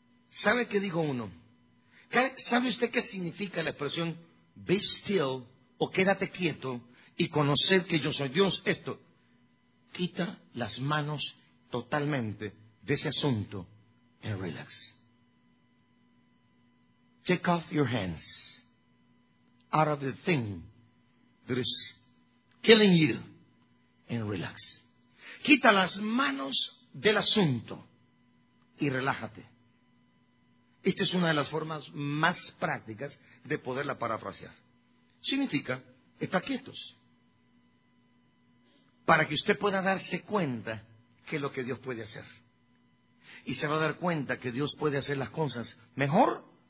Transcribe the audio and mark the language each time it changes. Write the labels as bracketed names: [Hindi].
[Spanish] ¿Sabe qué dijo uno? ¿Sabe usted qué significa la expresión [English] be still [Spanish] o quédate quieto y conocer que yo soy Dios? Esto, quita las manos totalmente de ese asunto [English] and relax. Take off your hands out of the thing that is killing you. En relax. [Spanish] Quita las manos del asunto y relájate. Esta es una de las formas más prácticas de poderla parafrasear. Significa, está quietos. Para que usted pueda darse cuenta que lo que Dios puede hacer. Y se va a dar cuenta que Dios puede hacer las cosas mejor